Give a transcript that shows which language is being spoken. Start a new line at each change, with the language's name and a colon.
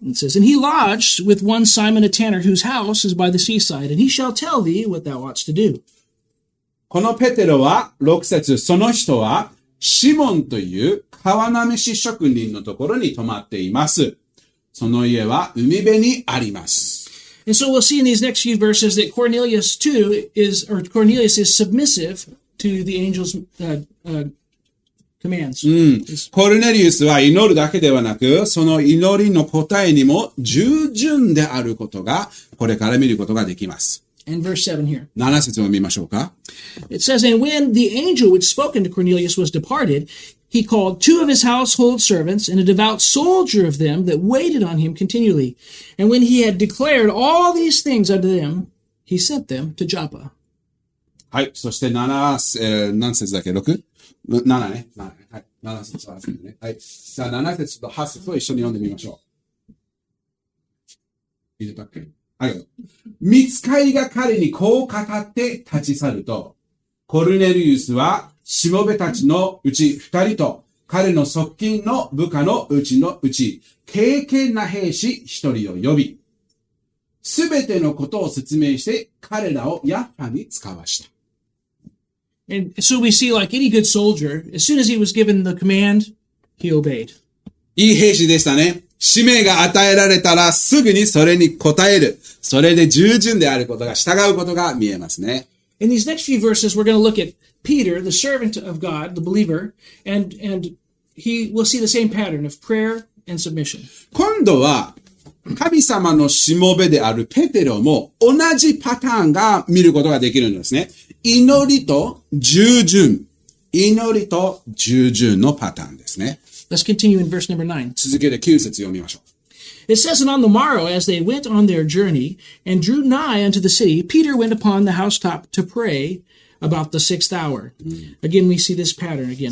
English: It says, and he lodged with one Simon a tanner whose house is by the seaside, and he shall tell thee what thou oughtst to do.
Japanese: このペテロは、6節、その人は、シモンという川なめし職人のところに泊まっています。その家は海辺にあります。
English: And so we'll see in these next few verses that Cornelius too is, or Cornelius is submissive to the angel's, commands.
Japanese: コルネリウスは祈るだけではなく、その祈りの答えにも従順であることが、これから見ることができます。
English: And verse 7 here.
Japanese: 7節を見ましょうか。
English: It says, and when the angel which spoken to Cornelius was departed, he called two of his household servants and a devout soldier of them that waited on him continually. And when he had declared all these things unto them, he sent them to Joppa.
Japanese: はい。そして7、何節だっけ？6？ 7ね。 7、はい、7節はね。はい。さあ7節と8節を一緒に読んでみましょう。いいですか？はい。見つかりが彼にこう語って立ち去ると、コルネリウスは、しもべたちのうち二人と、彼の側近の部下のうちのうち、敬虔な兵士一人を呼び、すべてのことを説明して、彼らをヤッファに使わした。
English: And so we see, like any good soldier, as soon as he was given the command He obeyed.
Japanese: いい兵士でしたね。使命が与えられたらすぐにそれに応える。それで従順であることが、従うことが見えますね。
English: In these next few verses, we're going to look at Peter, the servant of God, the believer, and he will see the same pattern of prayer and submission.
Japanese: 今度は神様のしもべであるペテロも同じパターンが見ることができるんですね。祈りと従順。祈りと従順のパターンですね。
English: Let's continue in verse number 9.
Japanese: 続けて9節読みましょう。
English: It says, and on the morrow, as they went on their journey and drew nigh unto the city, Peter went upon the housetop to pray about the sixth hour.、うん、again, we see this pattern again.